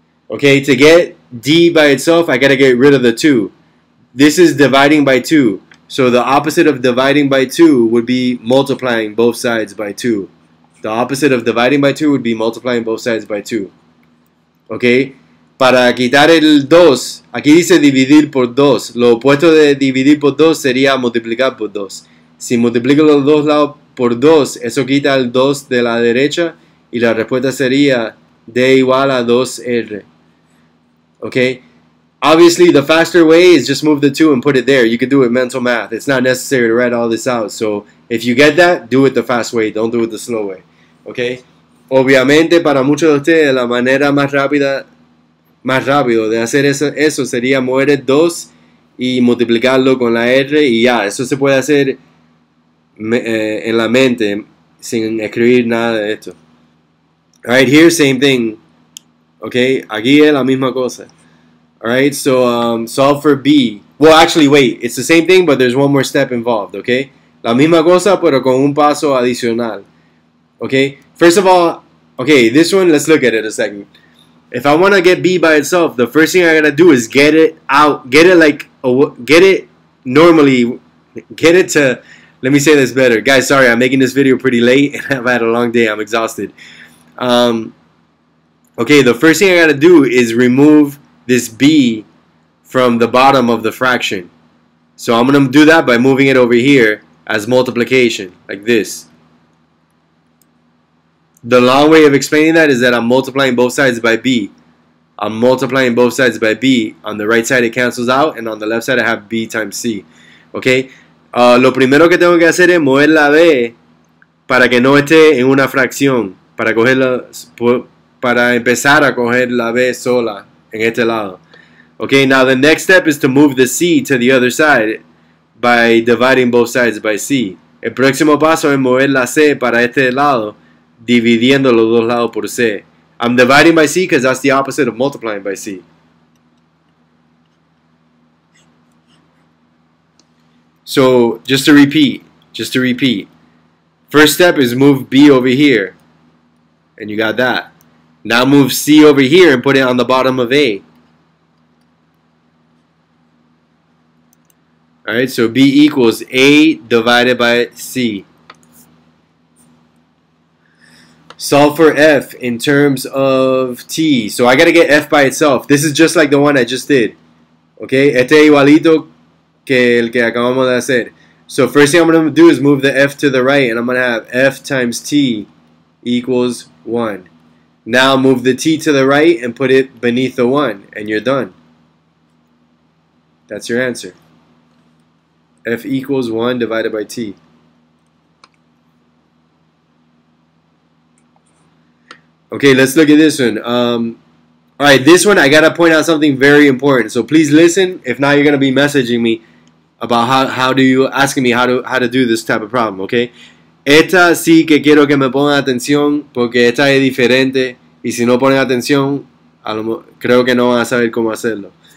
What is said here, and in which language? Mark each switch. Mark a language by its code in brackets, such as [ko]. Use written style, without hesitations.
[en] Okay, to get D by itself, I got to get rid of the 2. This is dividing by 2. So the opposite of dividing by 2 would be multiplying both sides by 2. The opposite of dividing by 2 would be multiplying both sides by 2. [es] Okay? Para quitar el 2, aquí dice dividir por 2. Lo opuesto de dividir por 2 sería multiplicar por 2. Si multiplico los dos lados por 2, eso quita el 2 de la derecha y la respuesta sería D igual a 2R. Okay? [en] Obviously, the faster way is just move the 2 and put it there. You can do it mental math. It's not necessary to write all this out. So, if you get that, do it the fast way. Don't do it the slow way. Okay? [es] Obviamente, para muchos de ustedes, la manera más rápida, más rápido de hacer eso sería mover el 2 y multiplicarlo con la R. Y ya, eso se puede hacer en la mente sin escribir nada de esto. [en] All right, here, same thing. Okay? [es] Aquí es la misma cosa. [en] Alright, so solve for B. Well, actually, wait. It's the same thing, but there's one more step involved, okay? [es] La misma cosa, pero con un paso adicional. [en] Okay? First of all, okay, this one, let's look at it a second. If I want to get B by itself, the first thing I got to do is get it out. Get it like, get it normally. Get it to, let me say this better. Guys, sorry, I'm making this video pretty late, and I've had a long day. I'm exhausted. Okay, the first thing I got to do is remove this B from the bottom of the fraction. So I'm going to do that by moving it over here as multiplication, like this. The long way of explaining that is that I'm multiplying both sides by B. I'm multiplying both sides by B. On the right side it cancels out, and on the left side I have B times C. Okay? [es] Lo primero que tengo que hacer es mover la B para que no esté en una fracción, para empezar a coger la B sola. En este lado. [en] Okay, now the next step is to move the C to the other side by dividing both sides by C. [es] El próximo paso es mover la C para este lado, dividiendo los dos lados por C. [en] I'm dividing by C because that's the opposite of multiplying by C. So, just to repeat. First step is move B over here. And you got that. Now move C over here and put it on the bottom of A. Alright, so B equals A divided by C. Solve for F in terms of T. So I gotta get F by itself. This is just like the one I just did. [es] Okay, este igualito que el que acabamos de hacer. [en] So first thing I'm gonna do is move the F to the right, and I'm gonna have F times T equals 1. Now move the T to the right and put it beneath the 1, and you're done. That's your answer. F equals 1 divided by T. Okay, let's look at this one. Alright, this one, I got to point out something very important. So please listen. If not, you're going to be messaging me about how to do this type of problem, okay? [es] Esta sí que quiero que me pongan atención porque esta es diferente. Y si no ponen atención, creo que no van a saber cómo hacerlo.